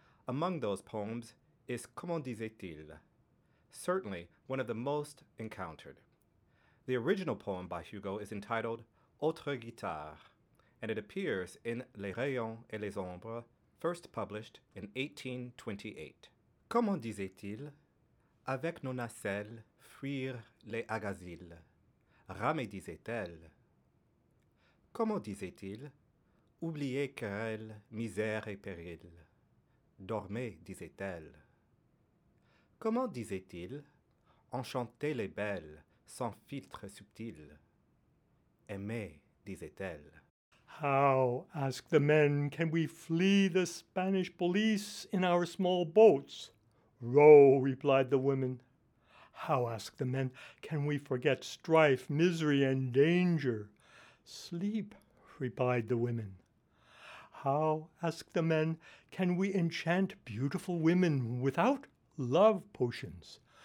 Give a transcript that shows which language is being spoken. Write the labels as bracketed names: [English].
[English] Among those poems is Comment disait-il, certainly one of the most encountered. The original poem by Hugo is entitled Autre guitare, and it appears in Les rayons et les ombres, first published in 1828. [French] Comment disait-il, avec nos nacelles fuir les agasiles, ramer disait-elle. Comment disait-il, oubliez querelle, misère et péril. Dormez, disait-elle. Comment disait-il, enchantez les belles, sans filtre subtil. Aimez, disait-elle. [English] How, ask the men, can we flee the Spanish police in our small boats? Row, replied the women. How, ask the men, can we forget strife, misery, and danger? Sleep, replied the women. How, ask the men, can we enchant beautiful women without love potions?